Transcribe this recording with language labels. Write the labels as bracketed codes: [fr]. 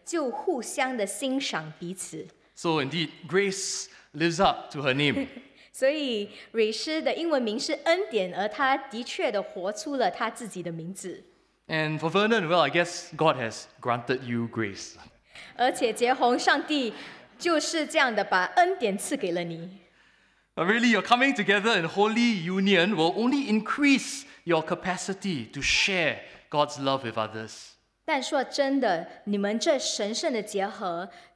[zh] 我所明白的是你们也是因为恩慈地款待了周围的人就互相地欣赏彼此。 [en] So indeed, grace lives up to her name. [zh] 所以蕊诗的英文名是恩典，而她的确的活出了她自己的名字。 [en] And for Vernon, well, I guess God has granted you grace. [zh] 而且杰宏，上帝就是这样的把恩典赐给了你。 [en] But really, your coming together in holy union will only increase your capacity to share God's love with others. [zh] 但说真的，你们这神圣的结合。